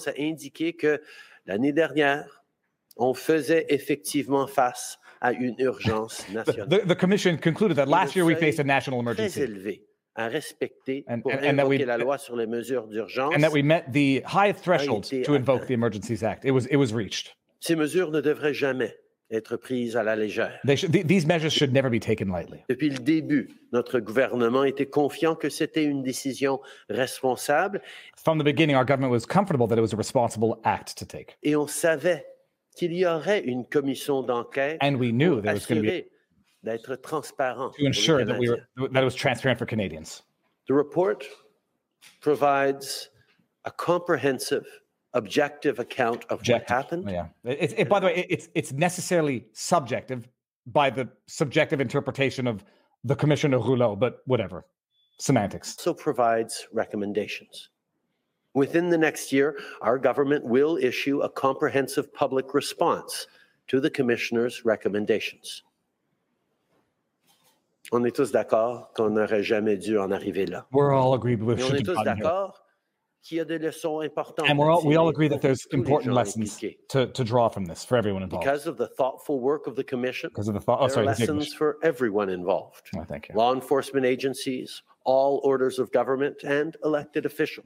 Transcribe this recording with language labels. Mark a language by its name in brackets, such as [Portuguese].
[French] a indiqué que l'année dernière, on faisait effectivement face à une urgence nationale. [English] The commission concluded that last year we faced a national emergency. [French] Très élevé à respecter pour invoquer la loi sur les mesures d'urgence. [English] And that we met the high threshold to invoke the Emergencies Act. It was reached. [French] Ces mesures ne devraient jamais être prise à la légère. [English] These measures should never be taken lightly. [French] Depuis le début, notre gouvernement était confiant que c'était une décision responsable. [English] From the beginning, our government was comfortable that it was a responsible act to take. [French] Et on savait qu'il y aurait une commission d'enquête. [English] And we knew there was going to be. [French] D'être transparent. [English] To ensure that we were that it was transparent for Canadians. The report provides a comprehensive. Objective account of objective. What happened. Yeah. It's necessarily subjective by the subjective interpretation of the Commissioner Rouleau, but whatever. Semantics. Also provides recommendations. Within the next year, our government will issue a comprehensive public response to the commissioner's recommendations. [French] On est tous d'accord qu'on n'aurait jamais dû en arriver là. [English] We're all agreed we should have gotten here. [French] Qu'il y a des leçons importantes. [English] And we all agree that there's important lessons to draw from this for everyone involved. Because of the thoughtful work of the commission, because of the thought, lessons for everyone involved. Oh, thank you. Law enforcement agencies, all orders of government, and elected officials.